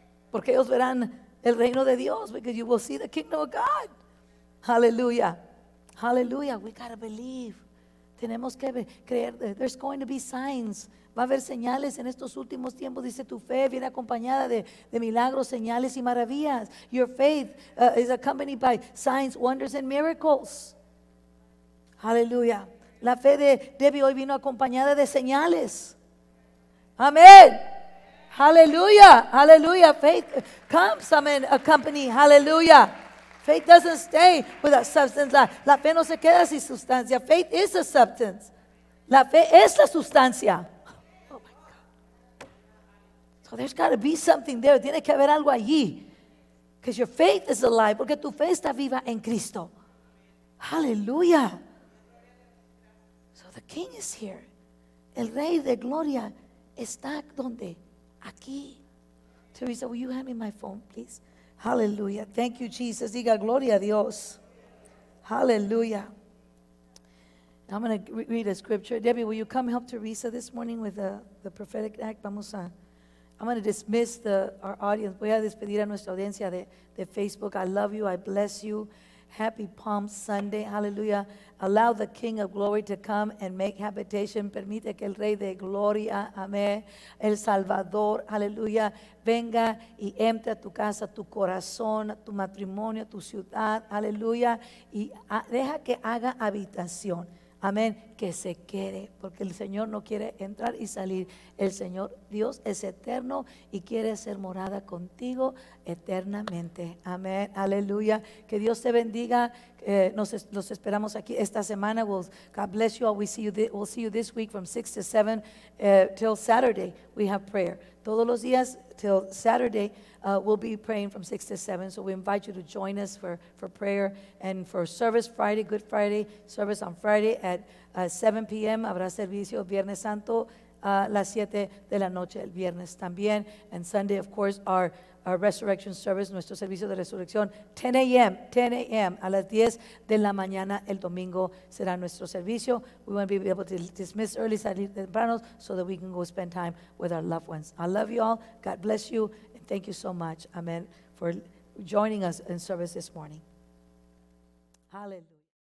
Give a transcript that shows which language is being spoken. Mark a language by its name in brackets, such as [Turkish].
[Spanish] Porque ellos verán el reino de Dios, [English] because you will see the kingdom of God. Hallelujah. Hallelujah. We gotta believe. [Spanish] Tenemos que creer. [English] There's going to be signs. [Spanish] Va a haber señales en estos últimos tiempos, dice tu fe, viene acompañada de milagros, señales y maravillas. [English] Your faith is accompanied by signs, wonders, and miracles. Hallelujah. [Spanish] La fe de Debbie hoy vino acompañada de señales. [English] Amén. Hallelujah. Hallelujah. Faith comes, amen, accompany. Hallelujah. Faith doesn't stay with a substance. [Spanish] La fe no se queda sin sustancia. [English] Faith is a substance. [Spanish] La fe es la sustancia. [English] Oh my God. So there's got to be something there. [Spanish] Tiene que haber algo allí. [English] Because your faith is alive. [Spanish] Porque tu fe está viva en Cristo. Hallelujah. [English] The king is here. [Spanish] El rey de gloria está donde? Aquí. [English] Teresa, will you hand me my phone, please? Hallelujah. Thank you, Jesus. [Spanish] Diga gloria a Dios. [English] Hallelujah. I'm going to read a scripture. Debbie, will you come help Teresa this morning with the prophetic act? [Spanish] Vamos a. [English] I'm going to dismiss our audience. [Spanish] Voy a despedir a nuestra audiencia de Facebook. [English] I love you. I bless you. Happy Palm Sunday. Hallelujah. Allow the King of Glory to come and make habitation. [Spanish] Permite que el Rey de Gloria, amén, el Salvador, aleluya, venga y entre a tu casa, tu corazón, tu matrimonio, tu ciudad, aleluya, y deja que haga habitación, amén, que se quede, porque el Señor no quiere entrar y salir. El Señor Dios es eterno y quiere ser morada contigo eternamente, amén, aleluya. Que Dios te bendiga. Los esperamos aquí esta semana. [English] God bless you all. We'll see you this week from 6 to 7 till Saturday. We have prayer. [Spanish] Todos los días [English] till Saturday we'll be praying from 6 to 7. So we invite you to join us for prayer and for service Friday, Good Friday. Service on Friday at 7 p.m. [Spanish] Habrá servicio Viernes Santo a las 7 de la noche el viernes también. [English] And Sunday, of course, our resurrection service, [Spanish] nuestro servicio de resurrección, [English] 10 a.m. [Spanish] a las 10 de la mañana el domingo será nuestro servicio. [English] We want to be able to dismiss early, [Spanish] salir temprano, [English] so that we can go spend time with our loved ones. I love you all. God bless you. And thank you so much, amen, for joining us in service this morning. Hallelujah.